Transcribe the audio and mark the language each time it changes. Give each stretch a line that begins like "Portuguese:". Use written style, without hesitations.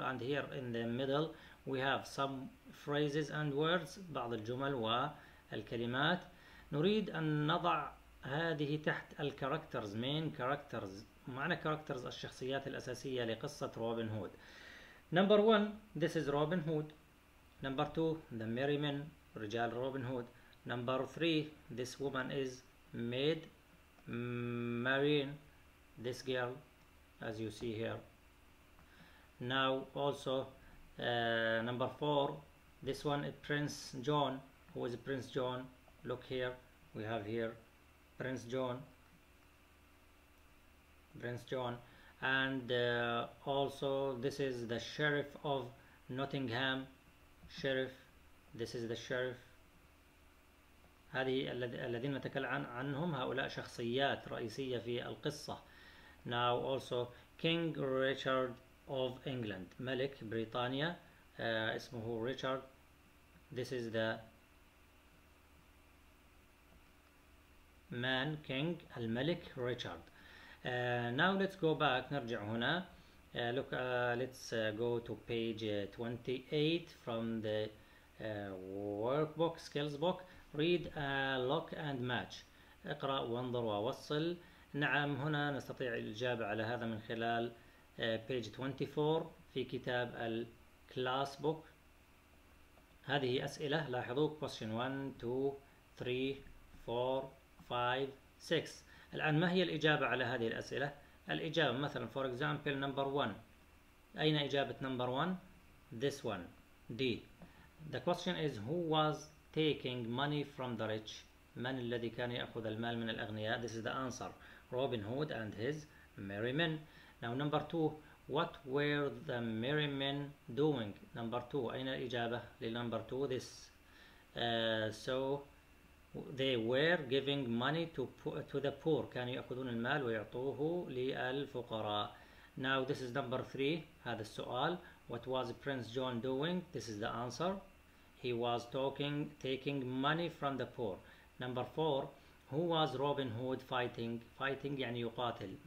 English: And here in the middle we have some phrases and words.
Arabic: بعض الجمل والكلمات. نريد أن نضع هذه تحت الكاركترز.
English: Main characters.
Arabic: معنى كاركترز الشخصيات الأساسية لقصة روبن هود.
English: Number 1 This is Robin Hood. Number 2 The Merry Men
Arabic: رجال روبن هود.
English: Number 3 This woman is Maid Marian. This girl as you see here. Now also Number 4 This one is Prince John. Who is Prince John? Look here. We have here Prince John. Prince John. and also this is the sheriff of Nottingham. Sheriff, this is the sheriff.
Arabic: هذه الذين نتكلم عنهم هؤلاء شخصيات رئيسية في القصة.
English: Now also King Richard of England,
Arabic: ملك بريطانيا اسمه ريتشارد.
English: This is the man, king, الملك ريتشارد. Now let's go back,
Arabic: نرجع هنا.
English: Look, let's go to page 28 from the workbook, skills book. Read, lock and match.
Arabic: اقرأ وانظر ووصل. نعم هنا نستطيع الإجابة على هذا من خلال page 24 في كتاب الكلاس بوك. هذه أسئلة، لاحظوا
English: question 1, 2, 3, 4, 5, 6.
Arabic: الآن ما هي الإجابة على هذه الأسئلة؟ الإجابة مثلا
English: for example number 1،
Arabic: أين إجابة number 1؟
English: This one D. The question is who was taking money from the rich؟
Arabic: من الذي كان يأخذ المال من الأغنياء؟
English: This is the answer. Robin Hood and his merry men. Now number 2, what were the merry men doing? Number 2,
Arabic: أين الإجابة للنمبر 2؟ This.
English: So they were giving money to the poor.
Arabic: كانوا يأخذون المال ويعطوه للفقراء.
English: Now this is number 3.
Arabic: هذا السؤال.
English: What was Prince John doing? This is the answer. He was taking money from the poor. Number 4. Who was Robin Hood fighting? Fighting
Arabic: يعني يقاتل.